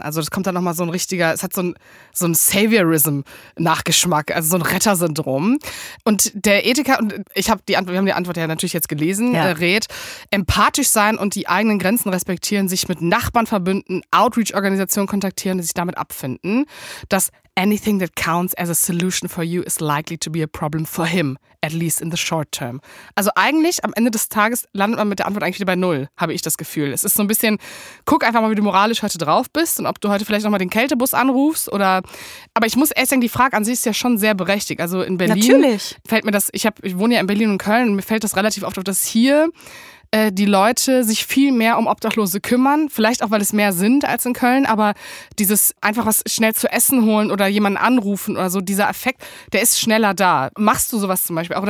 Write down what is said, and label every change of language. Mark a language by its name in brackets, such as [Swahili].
[German] Also das kommt dann nochmal so ein richtiger, es hat so ein Saviorism-Nachgeschmack, also so ein Rettersyndrom. Und der Ethiker, und wir haben die Antwort ja natürlich jetzt gelesen, rät, empathisch sein und die eigenen Grenzen respektieren, sich mit Nachbarn verbünden, Outreach-Organisationen kontaktieren, sich damit abfinden. Das [English] Anything that counts as a solution for you is likely to be a problem for him, at least in the short term. [German] Also eigentlich, am Ende des Tages landet man mit der Antwort eigentlich wieder bei Null, habe ich das Gefühl. Es ist so ein bisschen, guck einfach mal, wie du moralisch heute drauf bist und ob du heute vielleicht nochmal den Kältebus anrufst oder, aber ich muss erst sagen, die Frage an sich ist ja schon sehr berechtigt. Also in Berlin natürlich fällt mir das, ich wohne ja in Berlin und Köln und mir fällt das relativ oft auf, dass hier die Leute sich viel mehr um Obdachlose kümmern, vielleicht auch, weil es mehr sind als in Köln, aber dieses einfach was schnell zu essen holen oder jemanden anrufen oder so, dieser Effekt, der ist schneller da. Machst du sowas zum Beispiel?